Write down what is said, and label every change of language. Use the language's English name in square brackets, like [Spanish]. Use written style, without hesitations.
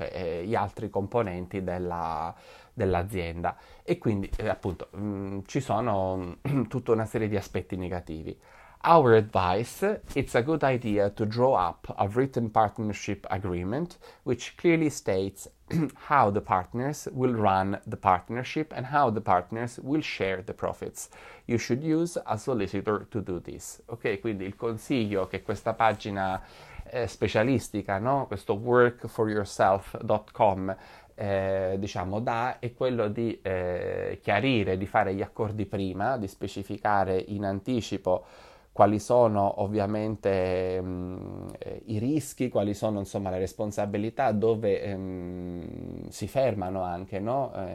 [Italian] Cioè gli altri componenti dell'azienda. E quindi, appunto, ci sono tutta una serie di aspetti negativi. [English] Our advice: it's a good idea to draw up a written partnership agreement which clearly states how the partners will run the partnership and how the partners will share the profits. You should use a solicitor to do this. [Italian] Ok, quindi il consiglio che questa pagina specialistica, no? Questo workforyourself.com diciamo, dà è quello di chiarire, di fare gli accordi prima, di specificare in anticipo quali sono ovviamente i rischi, quali sono insomma le responsabilità, dove si fermano anche, no?